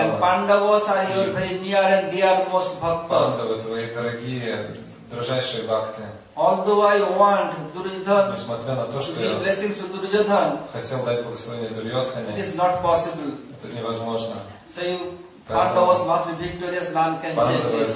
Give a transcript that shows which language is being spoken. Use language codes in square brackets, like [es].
[en] And Pandavas are your very near and dear most Bhakta. [ru] Пандавы твои дорогие, дрожайшие Бхакты. [en] Although I want Duryodhan, [ru] несмотря на то, что я хотел дать благословение Дурьотхане, [en] it is not possible. [ru] Это невозможно. [en] So you, Pandavas must be victorious, none can change this.